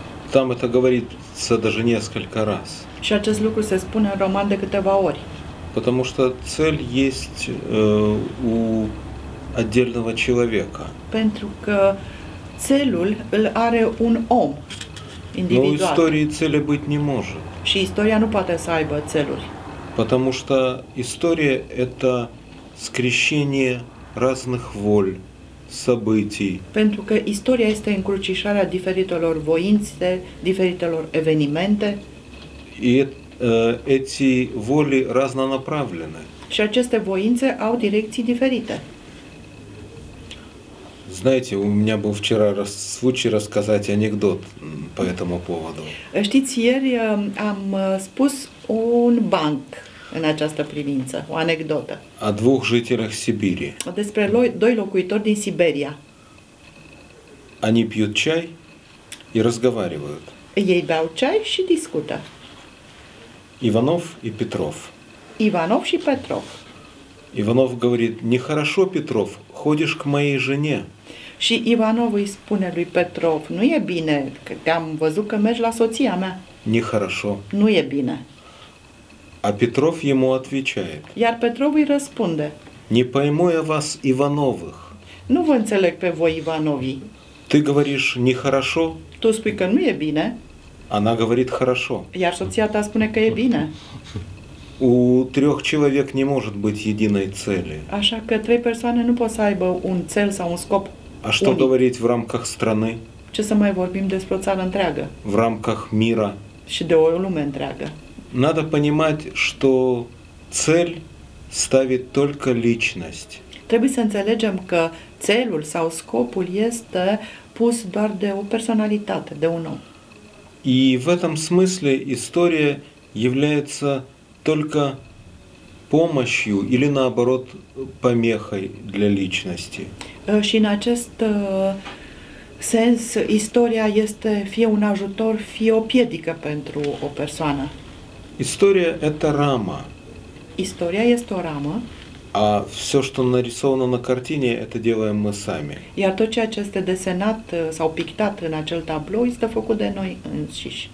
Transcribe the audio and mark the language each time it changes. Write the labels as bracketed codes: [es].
[ru] Там это говорится даже несколько раз. [ro] Și acest lucru se spune în roman de câteva ori. [ru] Потому что цель есть у отдельного человека. [ro] Pentru că țelul îl are un om. [ru] Но у истории цели быть не может. [ro] Și istoria nu poate să aibă țeluri. [ru] Потому что история – это скрещение разных воль, событий. [ro] Pentru că istoria este încrucișarea diferitelor voințe, diferitelor evenimente. [ru] И эти воли разнонаправлены. [ro] Și aceste voințe au direcții diferite. [ru] Знаете, у меня был вчера случай рассказать анекдот по этому поводу. [ro] Știți, ieri am spus un banc în această privință, o anecdotă. [ru] О двух жителях Сибири. [ro] Despre doi locuitori din Siberia. [ru] Они пьют чай и разговаривают. [ro] Ei beau ceai și discută. [ru] Иванов и Петров. [ro] Иванов și Петров. [ru] Иванов говорит: «Нехорошо, Петров, ходишь к моей жене». [ro] Și Иванов îi spune lui Петров: «Nu e bine, că te-am văzut că mergi la soția mea». [ru] «Нехорошо». [ro] «Nu e bine». [ru] А Петров ему отвечает. [ro] Iar Петров îi răspunde: [ru] «Не пойму я вас, Ивановых». [ro] «Nu vă înțeleg pe voi, Ivanovi». [ru] «Ты говоришь, нехорошо». [ro] «Tu spui că nu e bine». [ru] Она говорит: «Хорошо». [ro] Iar soția ta spune că e bine. [ru] У трех человек не может быть единой цели. [ro] Așa că trei persoane nu pot să aibă un cel sau un scop. [ru] А что говорить в рамках страны? [ro] Ce să mai vorbim despre o țară întreagă? [ru] В рамках мира. [ro] Și de o lume întreagă. [ru] Надо понимать, что цель ставит только личность. [ro] Trebuie să înțelegem că țelul sau scopul este pus doar de o personalitate, de un om. [ru] И в этом смысле история является только помощью или наоборот помехой для личности. [ro] Și în acest sens istoria este fie un ajutor, fie o piedică pentru o persoană. [ru] История это рама. [ro] Istoria este o ramă. [ru] А всё, что нарисовано на картине, это делаем мы сами. [ro] Iar tot ceea ce este desenat sau pictat în acel tablou este făcut de noi înșiși.